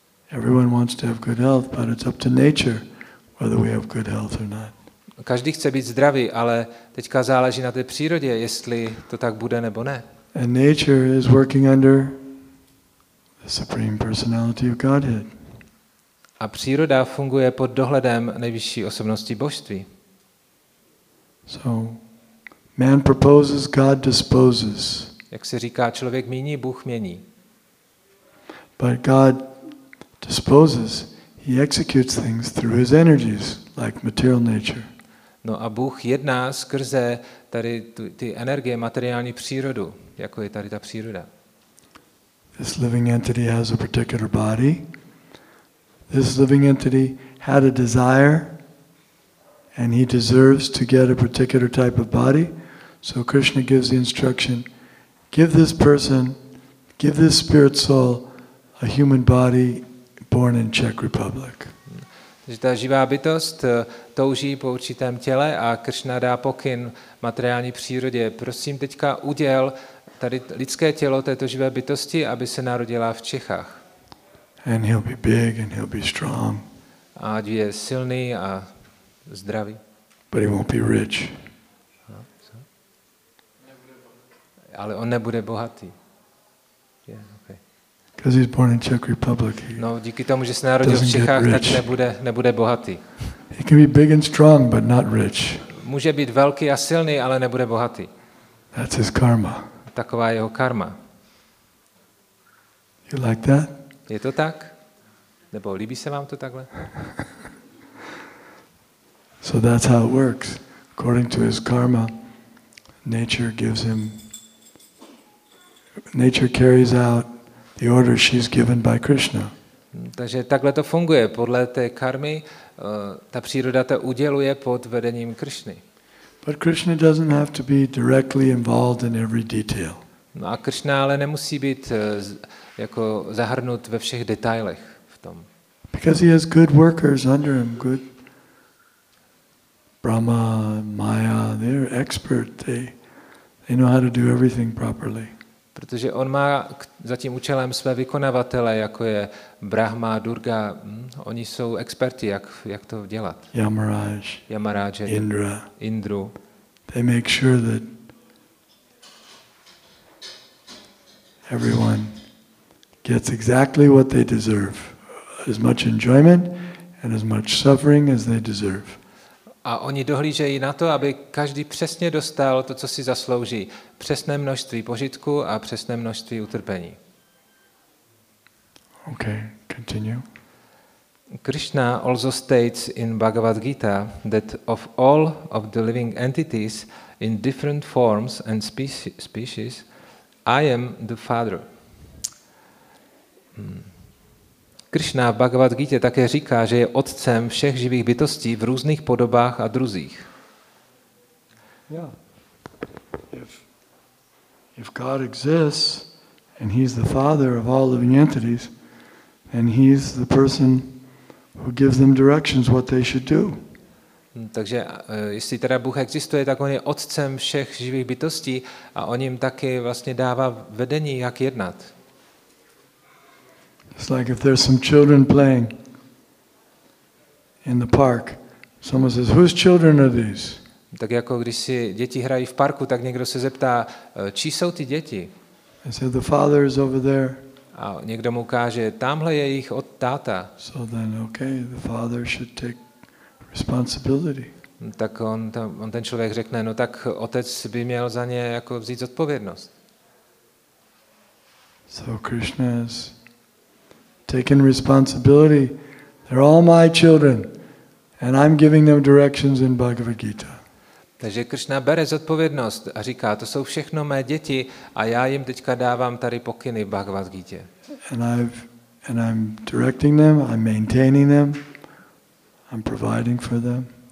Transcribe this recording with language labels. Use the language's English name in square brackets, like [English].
[English] Everyone wants to have good health, but it's up to nature whether we have good health or not. [Czech] Každý chce být zdravý, ale teďka záleží na té přírodě, jestli to tak bude nebo ne. [English] And nature is working under the Supreme Personality of Godhead. [Czech] A příroda funguje pod dohledem nejvyšší osobnosti božství. [English] So, man proposes, God disposes. [Czech] Jak se říká, člověk míní, Bůh mění. [English] But God disposes, he executes things through his energies, like material nature. [Czech] No a Bůh jedná skrze tady ty energie, materiální přírodu, jako je tady ta příroda. [English] This living entity has a particular body. This living entity had a desire, and he deserves to get a particular type of body. So Krishna gives the instruction, give this person, give this spirit soul a human body born in Czech Republic. [Czech] Takže ta živá bytost touží po určitém těle a Krishna dá pokyn materiální přírodě. Prosím teďka uděl tady lidské tělo této živé bytosti, aby se narodila v Čechách. [English] And he'll be big and he'll be strong. [Czech] A je silný a zdravý. [English] But he won't be rich. No, [Czech] ale on nebude bohatý. [English] Yeah, okay. Because he's born in Czech Republic. [Czech] No, díky tomu, že se narodil v Čechách, tak nebude bohatý. [English] He can be big and strong, but not rich. [Czech] Může být velký a silný, ale nebude bohatý. [English] That's his karma. [Czech] Taková jeho karma. [English] You like that? [Czech] Je to tak? Nebo líbí se vám to takhle? [English] So that's how it works. According to his karma, nature gives him, nature carries out the order she's given by Krishna. [Czech] Takže takhle to funguje. Podle té karmy ta příroda to uděluje pod vedením Krishny. [English] But Krishna doesn't have to be directly involved in every detail. [Czech] No a Krishna ale nemusí být jako zahrnut ve všech detailech v tom. [English] Because he has good workers under him, good Brahma, Maya, they're expert. They know how to do everything properly. [Czech] Protože on má za tím účelem své vykonavatele, jako je Brahma, Durga, oni jsou experti, jak to dělat. Yamaraj, Indru. [English] They make sure that everyone gets exactly what they deserve, as much enjoyment and as much suffering as they deserve. [Czech] A oni dohlížejí na to, aby každý přesně dostal to, co si zaslouží, přesné množství požitku a přesné množství utrpení. [English] Okay, continue. Krishna also states in Bhagavad Gita that of all of the living entities in different forms and species, I am the father. [Czech] Krishna v Bhagavad Gita také říká, že je otcem všech živých bytostí v různých podobách a druzích. [English] Yeah. If God exists and he's the father of all living entities, then he's the person who gives them directions what they should do. [Czech] Takže jestli teda Bůh existuje, tak on je otcem všech živých bytostí a on jim taky vlastně dává vedení, jak jednat. [English] It's like if there's some children playing in the park. Someone says, "Whose children are these?" [Czech] Tak jako když si děti hrají v parku, tak někdo se zeptá, čí jsou ty děti? [English] I said, "The father is over there." [Czech] A někdo mu ukáže, tamhle je jich od táta. [English] So then, okay, the father should take responsibility. [Czech] Tak on ten člověk řekne, no tak otec by měl za ně jako vzít zodpovědnost. [English] So Krishna is taking responsibility. They're all my children and I'm giving them directions in Bhagavad Gita. [Czech] Takže Krishna bere zodpovědnost a říká, to jsou všechno mé děti a já jim teďka dávám tady pokyny v Bhagavad Gita. [English] And I'm directing them, I'm maintaining them, I'm providing for them.